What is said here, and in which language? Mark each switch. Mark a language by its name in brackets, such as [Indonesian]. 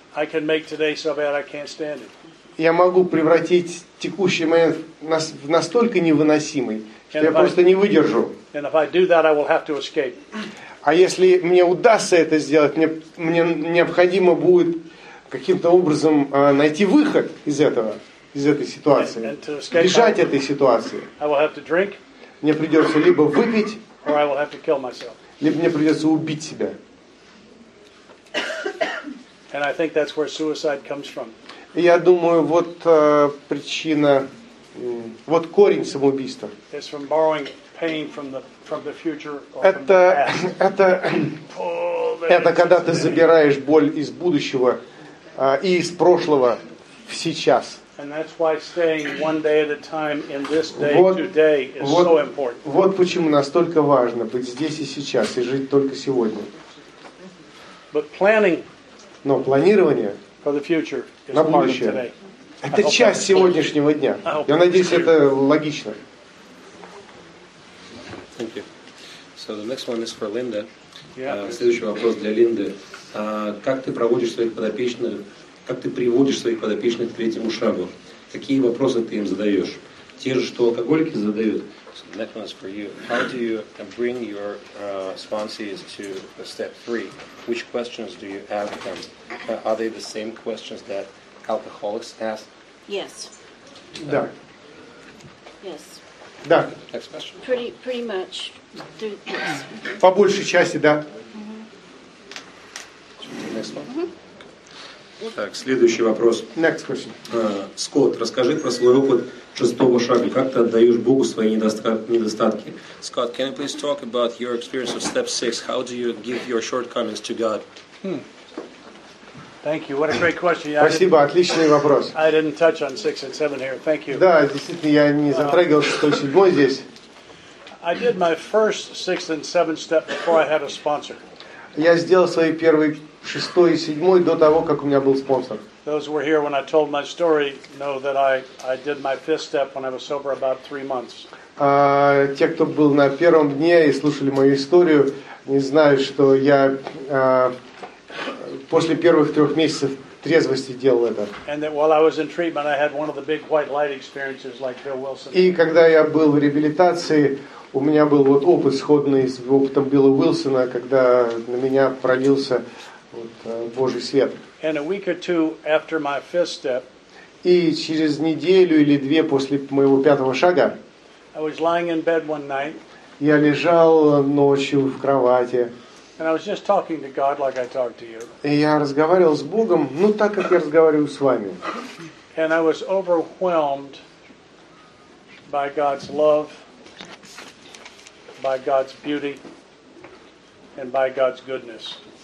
[English] I can make today so bad I can't stand it. [Russian] Я могу превратить текущий момент в настолько невыносимый, что я просто не выдержу. [English] And if I do that, I will have to escape. [Russian] А если мне удастся это сделать, мне необходимо будет каким-то образом найти выход из этого, из этой ситуации, бежать этой ситуации. [English] I will have to drink, [Russian] мне придется либо выпить, [English] or I will have to kill myself. [Russian] Либо мне придется убить себя. [English] And I think that's where suicide comes from. [Russian] Я думаю, вот причина, вот корень самоубийства. [English] It's from borrowing pain from the future or from the past. [Russian] Это это когда ты забираешь боль из будущего и из прошлого в сейчас. [English] And that's why staying one day at a time in this day today is so important. [Russian] Вот почему настолько важно быть здесь и сейчас и жить только сегодня. [English] But planning. [Russian] Но планирование [English] for the future is [Russian] на будущее – это часть сегодняшнего дня. Я надеюсь, это логично. [English] Thank you. So the next one is for Linda. Yeah. [Russian] Следующий вопрос для Линды. Как ты проводишь своих подопечных, как ты приводишь своих подопечных к третьему шагу? Какие вопросы ты им задаешь? Те же, что алкоголики задают? [English] So the next one is for you. How do you bring your sponsees to step three? Which questions do you ask them? Are they the same questions that alcoholics ask? Yes. [Russian] Да. [English] Yes. [Russian] Да. [English] Next question. Pretty much do this. [Russian] По большей части, да. [English] Next one. [Russian] Так, следующий вопрос. [English] Next question. [Russian] Скотт, расскажи про свой опыт шестого шага. Как ты отдаешь Богу свои недостатки? [English] Scott, can you please talk about your experience of step six? How do you give your shortcomings to God? Thank you. What a great question. [Russian] Спасибо, отличный вопрос. [English] I didn't touch on six and seven here. Thank you. [Russian] Да, действительно, я не затрагивал шестой, седьмой здесь. [English] I did my first six and seven step before I had a sponsor. [Russian] Я сделал свои первые шестой и седьмой до того, как у меня был спонсор. [English] Those who were here when I told my story know that I did my fifth step when I was sober about three months. [Russian] Те, кто был на первом дне и слушали мою историю, не знают, что я после первых трех месяцев трезвости делал это. [English] And that while I was in treatment, I had one of the big white light experiences like Bill Wilson. [Russian] И когда я был в реабилитации, у меня был вот опыт сходный с опытом Билла Уилсона, когда на меня пролился вот, Божий свет. [English] And a week or two after my fifth step, [Russian] и через неделю или две после моего пятого шага, [English] I was lying in bed one night, [Russian] я лежал ночью в кровати. [English] And I was just talking to God like I talked to you. [Russian] И я разговаривал с Богом, ну так как я разговариваю с вами. [English] And I was overwhelmed by God's love, by God's beauty, and by God's goodness.